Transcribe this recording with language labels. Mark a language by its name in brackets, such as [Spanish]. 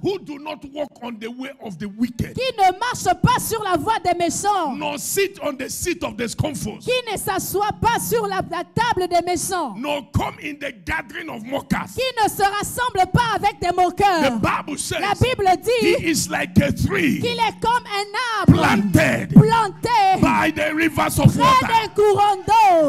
[English] Who do not walk on the way of the wicked. [French] Qui ne marche pas sur la voie des méchants. [English] Nor sit on the seat of the scornful. [French] Qui ne s'assoit pas sur la table des méchants. [English] Nor come in the gathering of mockers. [French] Qui ne se rassemble pas avec des moqueurs. [English] The Bible says. [French] La Bible dit. [English] He is like a tree. [French] Qu'il est comme un abominable. [English] Planted. By the rivers of [French] près [English] water. [French] Des courants d'eau.